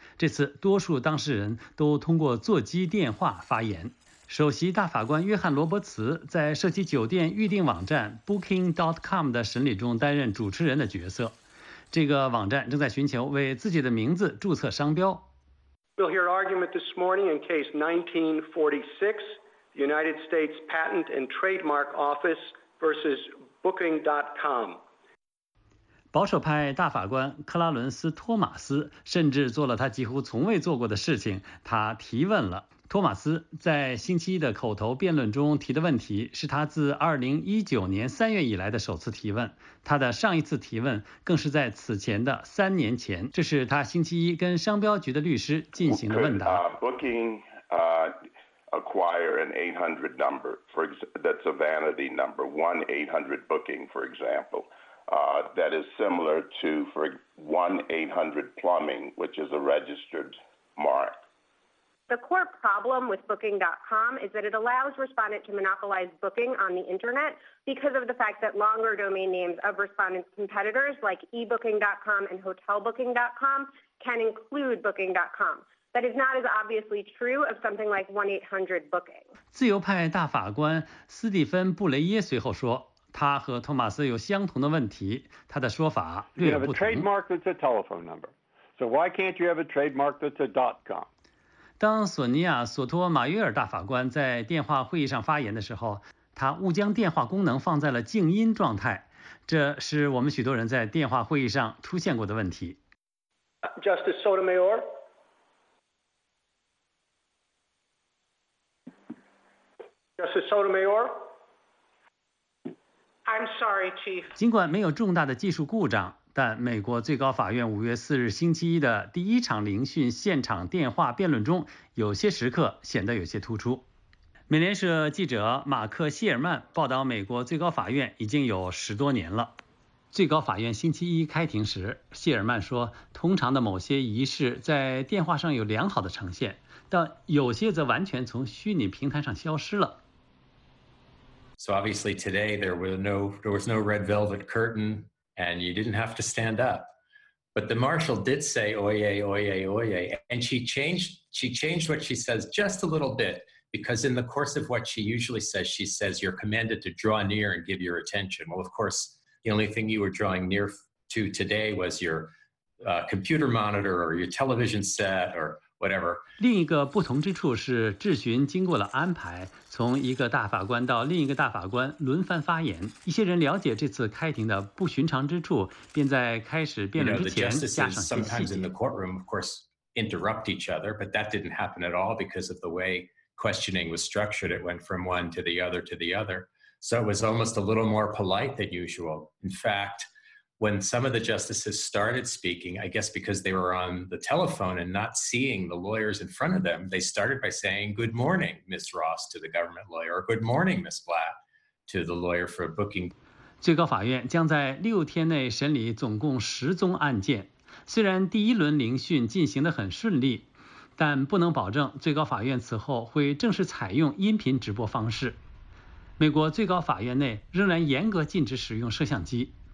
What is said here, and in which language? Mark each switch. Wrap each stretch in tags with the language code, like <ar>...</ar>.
<zh>这次多数当事人都通过座机电话发言。首席大法官约翰·罗伯茨在涉及酒店预订网站 Booking.com 的审理中担任主持人的角色。这个网站正在寻求为自己的名字注册商标。</zh> <en>We'll hear argument this morning in case 1946, the United States Patent and Trademark Office versus Booking.com.</en> <zh>保守派大法官克拉伦斯·托马斯甚至做了他几乎从未做过的事情，他提问了。托马斯在星期一的口头辩论中提的问题是他自2019年3月以来的首次提问，他的上一次提问更是在此前的3年前，这是他星期一跟商标局的律师进行的问答。</zh> <en>Booking acquire an 800 number for that's a vanity number, 1-800-BOOKING for example, that is similar to for 1-800-PLUMBING, which is a registered mark. The core problem with Booking.com is that it allows respondent to monopolize booking on the internet because of the fact that longer domain names of respondent's competitors like ebooking.com and hotelbooking.com can include Booking.com. That is not as obviously true of something like 1-800-Booking.</en> <zh>自由派大法官斯蒂芬·布雷耶随后说，他和托马斯有相同的问题，他的说法略有不同。</zh> <en>You have a trademark that's a telephone number. So why can't you have a trademark that's a .com?</en> <zh>当索尼亚·索托·马约尔大法官在电话会议上发言的时候，他误将电话功能放在了静音状态。这是我们许多人在电话会议上出现过的问题。</zh> <en>Justice Sotomayor? Justice Sotomayor? I'm sorry, Chief.</en> <zh>尽管没有重大的技术故障，但美国最高法院5月4日星期一的第一场聆讯现场电话辩论中，有些时刻显得有些突出。美联社记者马克·希尔曼报道，美国最高法院已经有十多年了。最高法院星期一开庭时，希尔曼说，通常的某些仪式在电话上有良好的呈现，但有些则完全从虚拟平台上消失了。</zh> <en>So obviously today there was no red velvet curtain and you didn't have to stand up, but the marshal did say oyez oyez oyez, and she changed what she says just a little bit. Because in the course of what she says you're commanded to draw near and give your attention. Well, of course, the only thing you were drawing near to today was your computer monitor or your television set or whatever.</en> <zh>另一个不同之处是质询经过了安排，从一个大法官到另一个大法官轮番发言。一些人了解这次开庭的不寻常之处，便在开始辩论之前加上些细节。</zh> <en>You know, the justices sometimes in the courtroom, of course, interrupt each other, but that didn't happen at all because of the way. Questioning was structured. It went from one to the other to the other. So it was almost a little more polite than usual. In fact, when some of the justices started speaking, I guess because they were on the telephone and not seeing the lawyers in front of them, they started by saying, good morning, Ms. Ross, to the government lawyer, or good morning, Ms. Black, to the lawyer for booking.</en> <zh>最高法院将在六天内审理总共十宗案件。虽然第一轮聆讯进行得很顺利，但不能保证最高法院此后会正式采用音频直播方式。美国最高法院内仍然严格禁止使用摄像机。</zh>